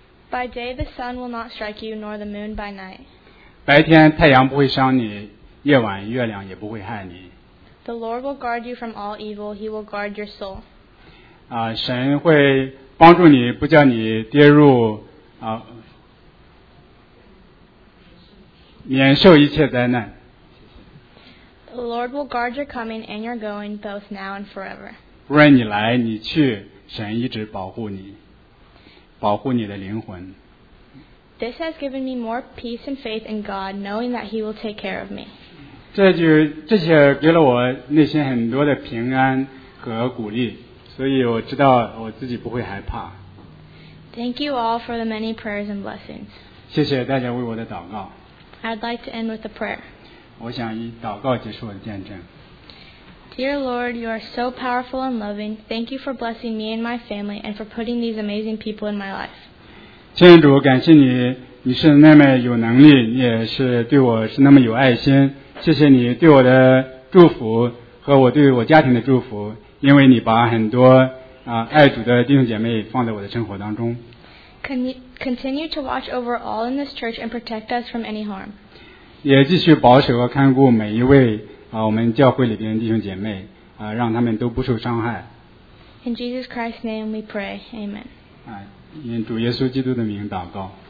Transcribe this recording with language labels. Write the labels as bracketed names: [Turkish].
[English] By day the sun will not strike you, nor the moon by night. [Chinese] 白天太阳不会伤你，夜晚月亮也不会害你。 [English] The Lord will guard you from all evil; He will guard your soul. [Chinese] 神会帮助你，不叫你跌入免受一切灾难。 [English] The Lord will guard your coming and your going both now and forever. [Chinese] 无论你来你去，神一直保护你，保护你的灵魂。 [English] This has given me more peace and faith in God, knowing that He will take care of me. [Chinese] 这些给了我内心很多的平安和鼓励，所以我知道我自己不会害怕。 [English] Thank you all for the many prayers and blessings. [Chinese] 谢谢大家为我的祷告。 [English] I'd like to end with a prayer. [Chinese] 我想以祷告结束我的见证。 [English] Dear Lord, you are so powerful and loving. Thank you for blessing me and my family and for putting these amazing people in my life. [Chinese] 亲主，感谢你，你是那么有能力，你也是对我是那么有爱心，谢谢你对我的祝福和我对我家庭的祝福，因为你把很多爱主的弟兄姐妹放在我的生活当中。 [English] Continue to watch over all in this church and protect us from any harm. [Chinese] 也继续保守和看顾每一位我们教会里边的弟兄姐妹让他们都不受伤害。 [English] In Jesus Christ's name we pray. Amen. [Chinese] 因主耶稣基督的名祷告。